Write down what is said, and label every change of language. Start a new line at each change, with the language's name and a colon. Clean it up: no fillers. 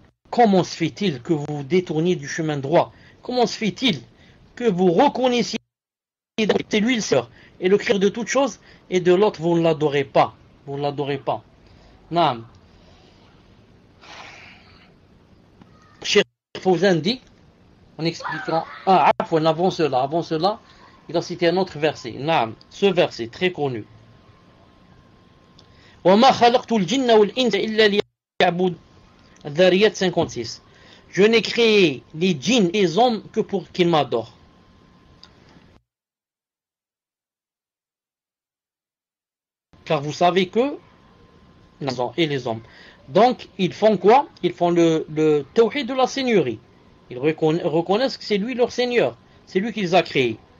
French: Comment se fait-il que vous vous détourniez du chemin droit? Comment se fait-il que vous reconnaissiez que c'est lui le Seigneur et le créateur de toute chose et de l'autre, vous ne l'adorez pas? Vous ne l'adorez pas. Naam. Fawzan dit, en expliquant, avant cela, il a cité un autre verset. Naam, ce verset très connu.
Arabic: وَمَا خَلَقْتُ الْجِنَّ وَالْإِنْسَ إِلَّا لِيَعْبُدُونَ Dhariyat 56.
French: Je n'ai créé les djinns et les hommes que pour qu'ils m'adorent. Car vous savez que les hommes et les hommes. Donc, ils font quoi? Ils font le tawhid de la seigneurie. Ils reconnaissent que c'est lui leur seigneur. C'est lui qui les a créés.